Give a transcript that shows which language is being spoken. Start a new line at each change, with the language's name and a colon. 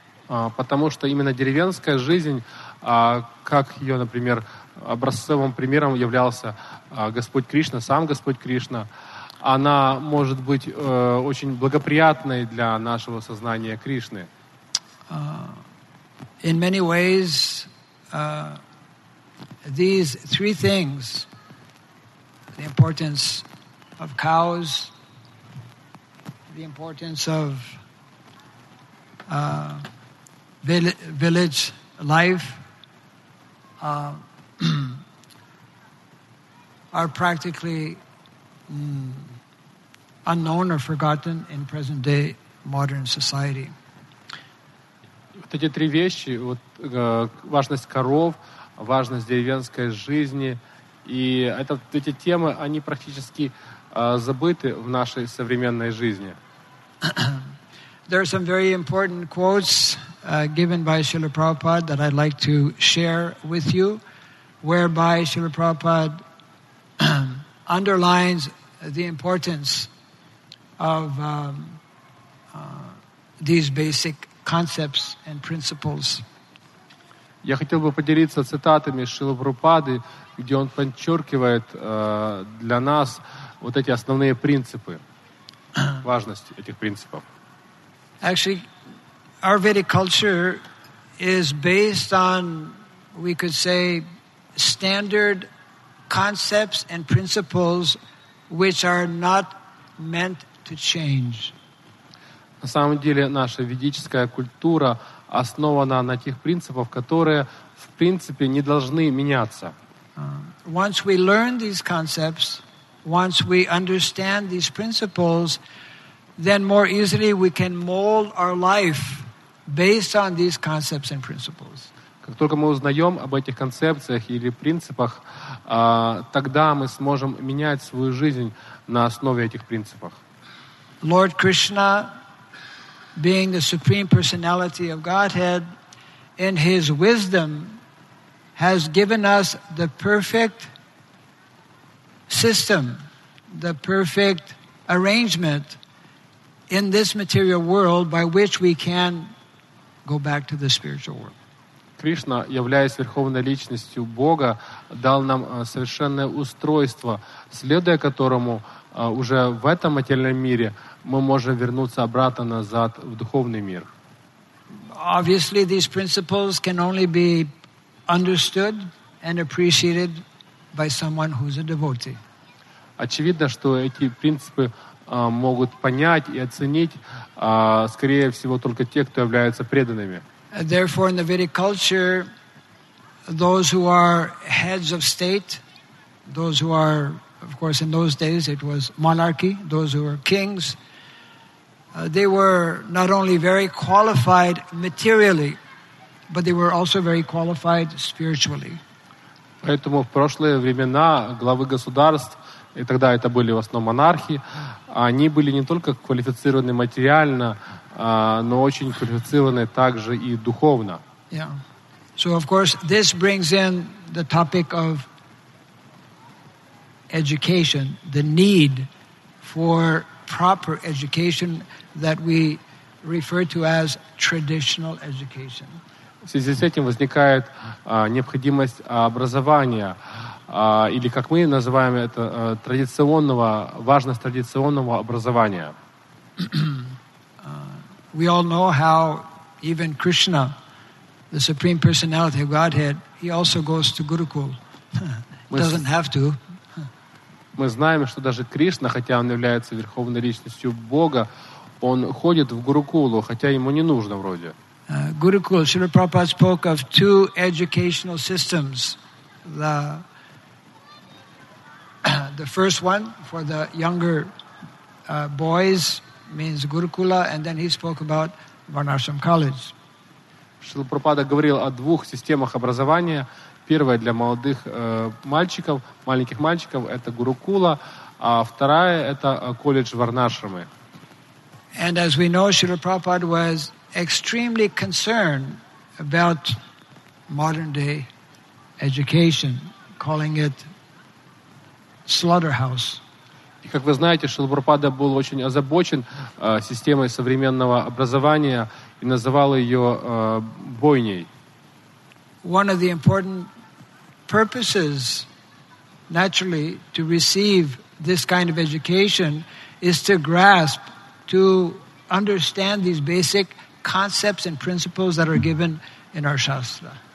Russian: Потому что именно деревенская жизнь, как ее, например, образцовым примером являлся Господь Кришна, сам Господь Кришна, она может быть очень благоприятной для нашего сознания Кришны.
English: In many ways, these three things, the importance of cows, the importance of village life, are practically unknown or forgotten in present-day modern society.
Russian: Вот эти три вещи, вот важность коров, важность деревенской жизни, и это эти темы, они практически забыты в нашей современной жизни.
English: There are some very important quotes given by Srila Prabhupada that I'd like to share with you, whereby Srila Prabhupada underlines the importance of these basic concepts and principles.
Russian: Я хотел бы поделиться цитатами Шрилы Прабхупады, где он подчеркивает для нас вот эти основные принципы, важность этих принципов.
English: Actually, our Vedic culture is based on, we could say, standard concepts and principles which are not meant to change.
Russian: На самом деле, наша ведическая культура основана на тех принципах, которые, в принципе, не должны меняться.
English: Once we learn these concepts, once we understand these principles, then more easily we can mold our life based on these concepts and principles.
Russian: Как только мы узнаем об этих концепциях или принципах, тогда мы сможем менять свою жизнь на основе этих принципов.
English: Lord Krishna, being the supreme personality of Godhead, in his wisdom, has given us the perfect system, the perfect arrangement in this material world by which we can go back to the spiritual world.
Russian: Кришна, являясь Верховной Личностью Бога, дал нам совершенное устройство, следуя которому уже в этом материальном мире мы можем вернуться обратно назад в духовный мир.
English: Obviously, these principles can only be understood and appreciated by someone who's a devotee.
Russian: Очевидно, что эти принципы могут понять и оценить, скорее всего, только те, кто являются преданными.
English: Therefore, in the Vedic culture, those who are heads of state, those who are, of course, in those days it was monarchy, those who were kings, they were not only very qualified materially, but they were also very qualified spiritually.
Russian: Поэтому в прошлые времена главы государств, и тогда это были в основном монархи, они были не только квалифицированы материально, но очень квалифицированы также и духовно. Yeah.
English: So, of course, this brings in the topic of education, the need for proper education that we refer to as traditional education.
Russian: В связи с этим возникает необходимость образования, или, как мы называем это, традиционного, важность традиционного образования.
English: We all know how even Krishna, the Supreme Personality of Godhead, he also goes to Gurukul. Doesn't have to.
Russian: Мы знаем, что даже Кришна, хотя он является Верховной Личностью Бога, он ходит в Гурукулу, хотя ему не нужно вроде.
English: Gurukul, Srila Prabhupada spoke of two educational systems. The first one for the younger boys means Gurukula, and then he spoke about Varnashram College.
Russian: Srila Prabhupada говорил о двух системах образования. Первая для молодых мальчиков, маленьких мальчиков, это Гурукула, а вторая это колледж Варнашрамы.
English: And as we know, Srila Prabhupada was extremely concerned about modern day education, calling it slaughterhouse.
Russian: И как вы знаете, Шрила Прабхупада был очень озабочен системой современного образования и называл ее бойней.
English: One of the important purposes, naturally, to receive this kind of education is to grasp, to understand these basic concepts and principles that are given in our Shastra.